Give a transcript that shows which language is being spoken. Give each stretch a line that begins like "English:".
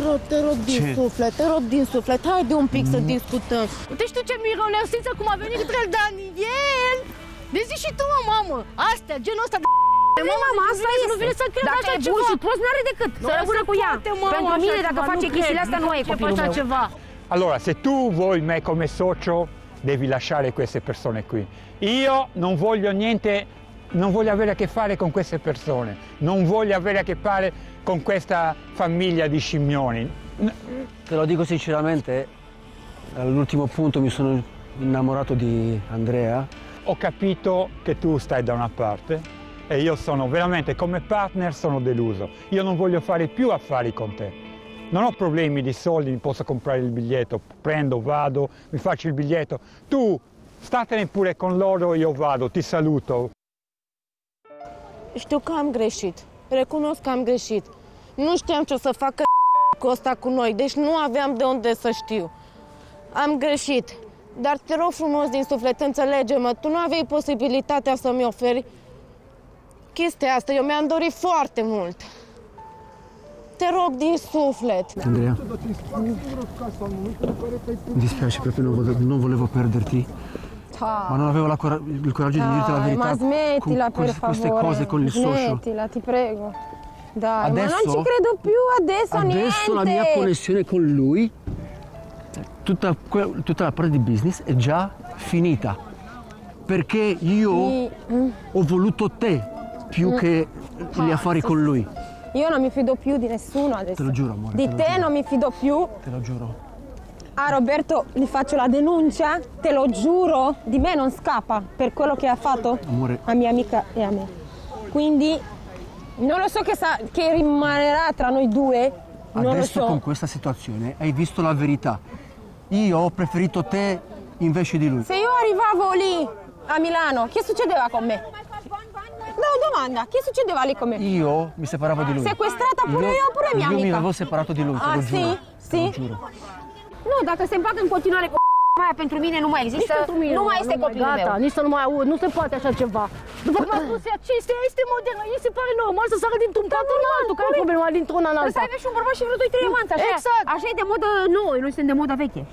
Romanian: Te rog din suflet, te rog din suflet. Haide un pic să discutăm. Uite, știu ce mironesință cum a venit către Daniel. Vezi și tu, mamă. Astea, genul ăsta de... Mama, asta e. Nu vine să cred așa ceva. Dacă e bun și prost, n-are decât să rămână cu ea. Pentru mine, dacă face chestiile astea, nu e copilul meu.
Italian: Allora, se tu vuoi me come socio, devi lasciare queste persone qui. Io non voglio niente... Non voglio avere a che fare con queste persone, non voglio avere a che fare con questa famiglia di scimmioni. Te lo dico sinceramente, all'ultimo punto mi sono innamorato di Andrea. Ho capito che tu stai da una parte e io sono veramente, come partner, sono deluso. Io non voglio fare più affari con te. Non ho problemi di soldi, mi posso comprare il biglietto, prendo, vado, mi faccio il biglietto. Tu statene pure con loro, io vado, ti saluto.
Romanian: Știu că am greșit. Recunosc că am greșit. Nu știam ce o să facă cu ăsta cu noi, deci nu aveam de unde să știu. Am greșit. Dar te rog frumos din suflet, înțelege-mă, tu nu aveai posibilitatea să-mi oferi chestia asta. Eu mi-am dorit foarte mult. Te rog din suflet.
Italian: Andrea, dispea și pe până, nu volevo perderti. Ta. Ma non avevo la il coraggio di dirti la verità. Ma smettila, per favore. Queste cose con il socio. Smettila, ti prego. Dai, adesso, ma non ci credo più adesso, adesso niente. Adesso la mia connessione con lui, tutta la parte di business è già finita. Perché io ho voluto te più che gli affari con lui. Io non mi fido più di nessuno adesso. Te lo giuro, amore. Di te non mi fido più. Te lo giuro. A Roberto gli faccio la denuncia, te lo giuro, di me non scappa per quello che ha fatto, amore, a mia amica e a me. Quindi non lo so che rimarrà tra noi due, non adesso lo so. Con questa situazione hai visto la verità. Io ho preferito te invece di lui. Se io arrivavo lì a Milano, che succedeva con me? No, domanda, che succedeva lì con me? Io mi separavo di lui. Sequestrata pure io oppure mia amica? Io mi avevo separato di lui, te lo giuro. Sì? Te lo giuro.
Romanian: Nu, dacă se împacă în continuare cu mai pentru mine nu mai există. Mine, nu mai este copilul meu. Gata, nici să nu mai aud, nu se poate așa ceva. După cum a spus ea, ce este, este modernă, ei se pare normal să sară dintr-un pat în altul, care e problema dintr-una în alta. Să avea și un bărbat și vreo 2-3 amanți, așa? Exact. Așa e de modă nouă, noi suntem de modă veche.